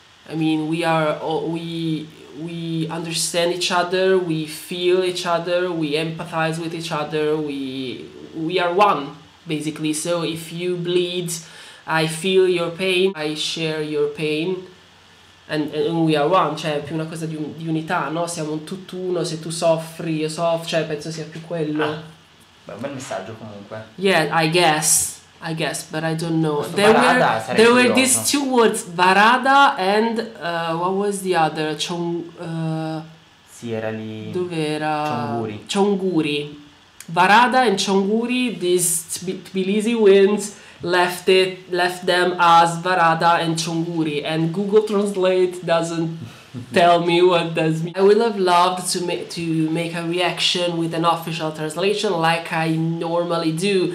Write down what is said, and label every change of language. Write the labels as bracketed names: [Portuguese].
[English] I mean, we understand each other, we feel each other, we empathize with each other, we are one, basically. So if you bleed, I feel your pain, I share your pain, and we are one. [Italian] Cioè, è più una cosa di unità, no? Siamo un tutt'uno, se tu soffri, io soffro, cioè, penso sia più quello. Ah, beh, un bel messaggio, comunque. [English] Yeah, I guess, but I don't know. There were these two words, varada and, what was the other? [Italian] Sì, era lì. Dove era? [English] Chonguri. Chonguri. Varada and Chonguri, these Tbilisi winds left them as Varada and Chonguri, and Google Translate doesn't tell me what does mean. I would have loved to make a reaction with an official translation like I normally do.